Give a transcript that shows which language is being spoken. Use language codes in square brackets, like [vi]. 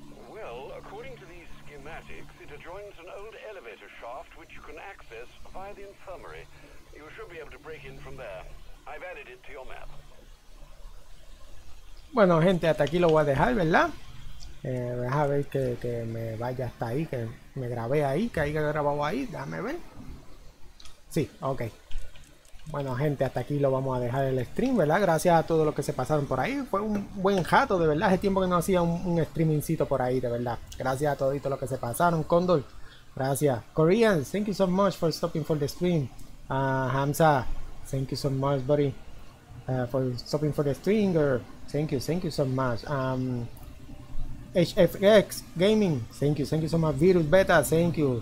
[en] Well, according to these schematics, it adjoins an old elevator shaft which you can access via the infirmary. You should be able to break in from there. I've added it to your map. [es] Bueno, gente, hasta aquí lo voy a dejar, ¿verdad? Deja ver que me vaya hasta ahí, que me grabé ahí, que haya grabado ahí. Déjame ver. Sí, ok. Bueno, gente, hasta aquí lo vamos a dejar el stream, ¿verdad? Gracias a todos los que se pasaron por ahí. Fue un buen jato, de verdad. Hace tiempo que no hacía un streamingcito por ahí, de verdad. Gracias a todos los que se pasaron. Condor, gracias. [en] Koreans, thank you so much for stopping for the stream. Hamza, thank you so much, buddy. For stopping for the stream, girl. Thank you so much. HFX Gaming, thank you so much. Virus Beta, thank you.